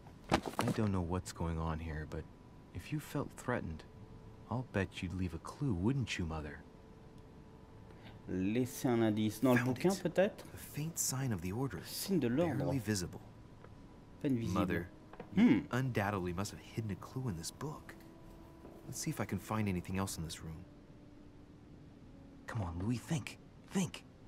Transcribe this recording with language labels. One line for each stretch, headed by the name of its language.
English: I don't know what's going on here, but if you felt threatened, I'll bet you'd leave a clue, wouldn't you, mother?
French: Laisser un indice dans le bouquin, peut-être. Signe de l'ordre. Visible. Peine visible.
English: Mother, undoubtedly must have hidden a clue in this book. Let's see if I can find anything else in this room. Come on, Louis, think, think.